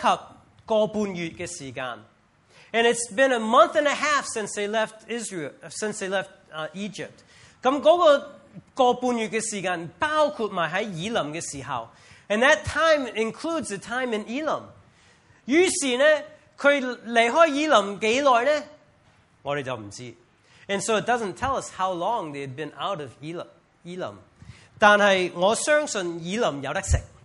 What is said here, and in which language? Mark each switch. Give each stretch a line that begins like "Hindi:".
Cantonese: 咁呢个时间呢，佢又出埃及个半月嘅时间。
English: And it's been a month and a half since they left Israel, since they left Egypt.
Cantonese: 咁嗰个半月嘅时间，包括埋喺以林嘅时候。
English: And that time includes the time in Elam.
Cantonese: 於是呢,佢離開以林幾耐呢?我哋就唔知.
English: And so it doesn't tell us how long they had been out of Elam.
Cantonese: 但係我相信以林有得食.